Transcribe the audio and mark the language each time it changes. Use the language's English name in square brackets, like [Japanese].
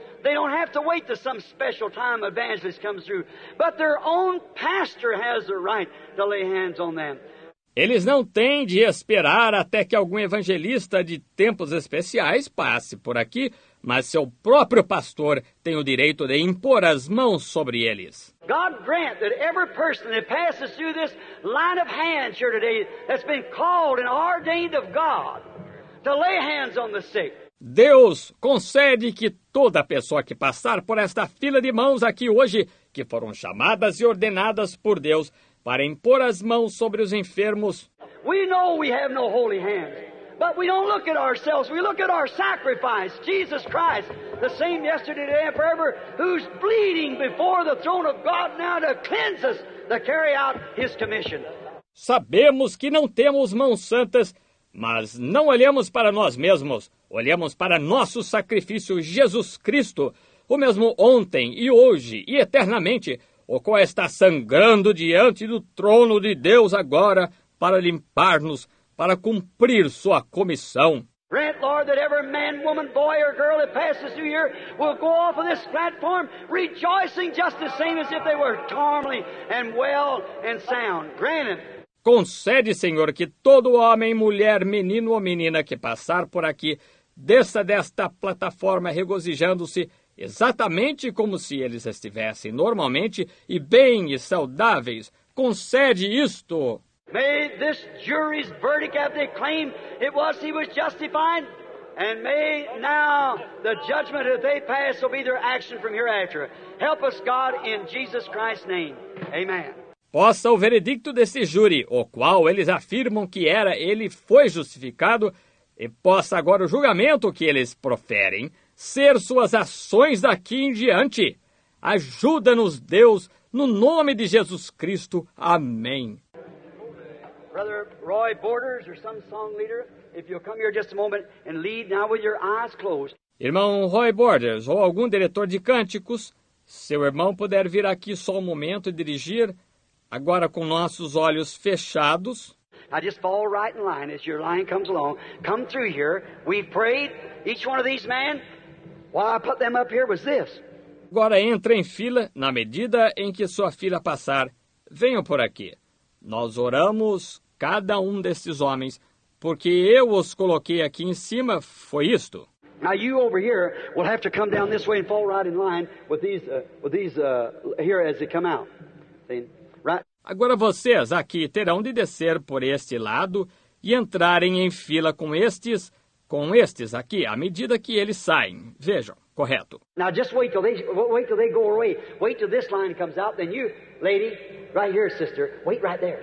[English] They don't have to wait till some special time evangelist comes through, but their own pastor has the right to lay hands on them. [Portuguese] Eles não têm de esperar até que algum evangelista de tempos especiais passe por aqui, mas seu próprio pastor tem o direito de impor as mãos sobre eles. [English] God grant that every person that passes through this line of hands here today that's been called and ordained of God to lay hands on the sick. [Portuguese] Deus concede que toda pessoa que passar por esta fila de mãos aqui hoje, que foram chamadas e ordenadas por Deus para impor as mãos sobre os enfermos. [English] We know we have no holy hands, but we don't look at ourselves. We look at our sacrifice, Jesus Christ, the same yesterday, today, and forever, who's bleeding before the throne of God now to cleanse us, to carry out his commission. [Portuguese] Sabemos que não temos mãos santas, mas não olhamos para nós mesmos. Olhamos para nosso sacrifício, Jesus Cristo, o mesmo ontem e hoje e eternamente, o qual está sangrando diante do trono de Deus agora para limpar-nos, para cumprir sua comissão. [English] Grant, Lord, that every man, woman, boy or girl that passes through here will go off of this platform rejoicing just the same as if they were normally and well and sound. Grant it. [Portuguese] Concede, Senhor, que todo homem, mulher, menino ou menina que passar por aqui desça desta plataforma regozijando-se exatamente como se eles estivessem normalmente e bem e saudáveis. Concede isto. [English] May this jury's verdict have the claim it was he was justified, and may now the judgment that they pass will be their action from hereafter. Help us, God, in Jesus Christ's name. Amen. [Portuguese] Possa o veredicto desse júri, o qual eles afirmam que era, ele foi justificado, e possa agora o julgamento que eles proferem ser suas ações daqui em diante. Ajuda-nos, Deus, no nome de Jesus Cristo. Amém. [English] Brother Roy Borders, or some song leader, if you'll come here just a moment and lead now with your eyes closed. [Portuguese] Irmão Roy Borders, ou algum diretor de cânticos, seu irmão puder vir aqui só um momento e dirigir, agora com nossos olhos fechados. [English] Now just fall right in line as your line comes along. Come through here. We've prayed, each one of these men, why I put them up here was this. [Portuguese] Agora entre em fila, na medida em que sua fila passar, venham por aqui. Nós oramos cada um desses homens, porque eu os coloquei aqui em cima, foi isto. [English] Now you over here will have to come down this way and fall right in line with these here as they come out. See? [Portuguese] Agora vocês aqui terão de descer por este lado e entrarem em fila com estes aqui, à medida que eles saem. Vejam, correto. [English] Now just wait till they go away. Wait till this line comes out, then you, lady, right here, sister, wait right there.